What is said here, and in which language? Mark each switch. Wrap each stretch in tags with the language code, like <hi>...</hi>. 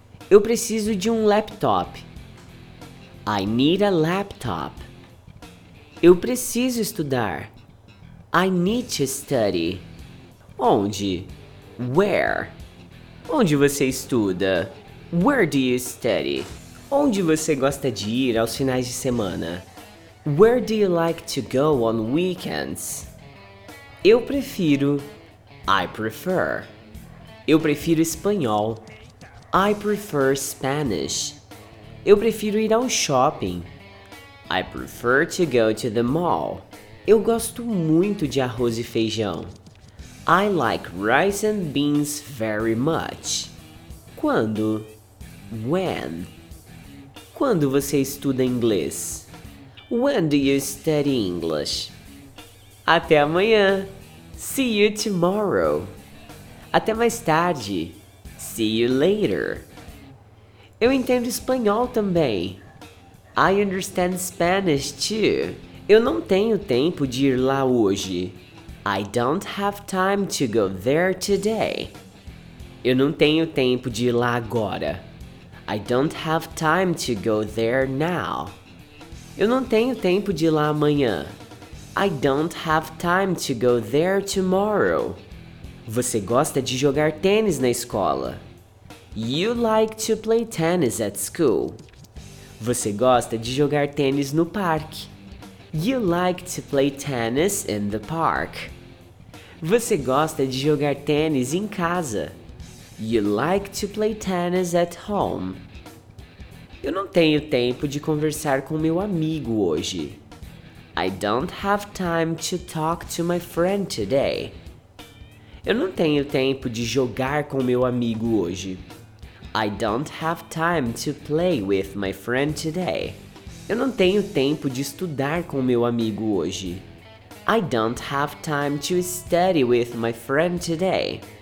<pt>Eu preciso de um laptop.</pt> <en>I need a laptop.</en> <pt>Eu preciso estudar.</pt> <en>I need to study.</en> <pt>Onde?</pt> <en>Where?</en> <pt>Onde você estuda?</pt> <en>Where do you study?</en> <pt>Onde você gosta de ir aos finais de semana?</pt> <en>Where do you like to go on weekends?</en> <pt>Eu prefiro.</pt> <en>I prefer.</en> <pt>Eu prefiro espanhol.</pt> <en>I prefer Spanish.</en> <pt>Eu prefiro ir ao shopping.</pt> <en>I prefer to go to the mall.</en> <pt>Eu gosto muito de arroz e feijão.</pt> <en>I like rice and beans very much.</en> <pt>Quando?</pt> <en>When?</en> <pt>Quando você estuda inglês?</pt> <en>When do you study English?</en> <pt>Até amanhã.</pt> <en>See you tomorrow.</en> <pt>Até mais tarde.</pt> <en>See you later.</en> <pt>Eu entendo espanhol também.</pt> <en>I understand Spanish too.</en> <pt>Eu não tenho tempo de ir lá hoje.</pt> <en>I don't have time to go there today.</en> <pt>Eu não tenho tempo de ir lá agora.</pt> <en>I don't have time to go there now.</en> <pt>Eu não tenho tempo de ir lá amanhã.</pt> <en>I don't have time to go there tomorrow.</en> <pt>Você gosta de jogar tênis na escola?</pt> <en>You like to play tennis at school.</en> <pt>Você gosta de jogar tênis no parque?</pt> <en>You like to play tennis in the park.</en> <pt>Você gosta de jogar tênis em casa?</pt> <en>You like to play tennis at home.</en> <pt>Eu não tenho tempo de conversar com meu amigo hoje.</pt> <en>I don't have time to talk to my friend today.</en> <pt>Eu não tenho tempo de jogar com meu amigo hoje.</pt> <en>I don't have time to play with my friend today.</en> <pt>Eu não tenho tempo de estudar com meu amigo hoje.</pt> <en>I don't have time to study with my friend today.</en>